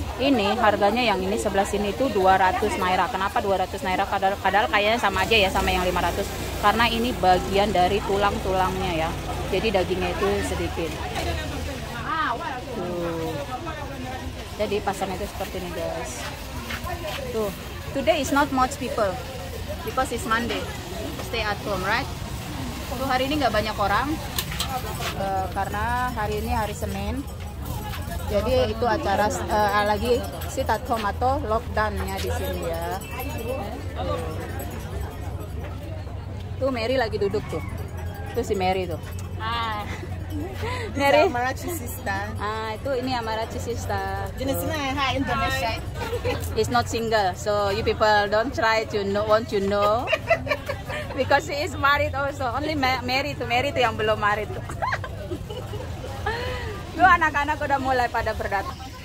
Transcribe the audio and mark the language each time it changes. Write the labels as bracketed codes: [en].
[id] ini harganya yang ini sebelah sini itu 200 naira. Kenapa 200 naira? Padahal kayaknya sama aja ya sama yang 500. Karena ini bagian dari tulang-tulangnya ya. Jadi dagingnya itu sedikit. Tuh. Jadi pasarnya itu seperti ini guys. Tuh, [en] today is not much people because it's Monday, stay at home, right? [id] Tuh hari ini nggak banyak orang karena hari ini hari Senin, jadi itu acara lagi [en] sit at home [id] atau lockdownnya di sini ya. Tuh Mary lagi duduk tuh, itu si Mary tuh. [en] This Mary. Is Marachi sister. [id] Ah, itu ini Marachi sister. Jenisnya yang high Indonesia. [en] He's not single, so you people don't try to know, want to know, because he is married also. Only [id] Mary itu yang belum married. Tuh anak-anak udah mulai pada berdatang.